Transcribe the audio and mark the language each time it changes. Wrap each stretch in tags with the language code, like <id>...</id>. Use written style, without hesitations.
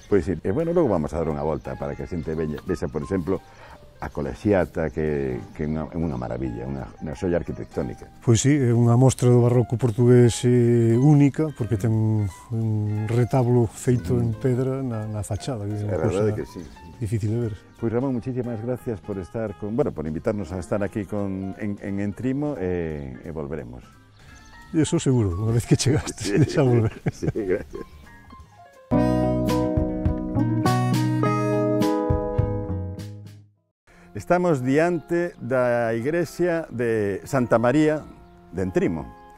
<gl>Pois sí, e bueno, logo vamos a dar unha volta para que a xente vexa, por exemplo, a colexiata, que é unha maravilla, unha xoia arquitectónica. Pois sí, é unha mostra do barroco portugués única, porque ten un retablo feito en pedra na fachada. É verdade que sí. Difícil de ver.</gl> <es>Pois Ramón, muchísimas gracias por estar con... Bueno, por invitarnos a estar aquí en Entrimo</es> <gl>e volveremos. Eso seguro, unha vez que chegaste, Deixa volver.</gl> <es>Sí, gracias.</es> <gl>Estamos diante da Igrexa de Santa María de Entrimo.</gl>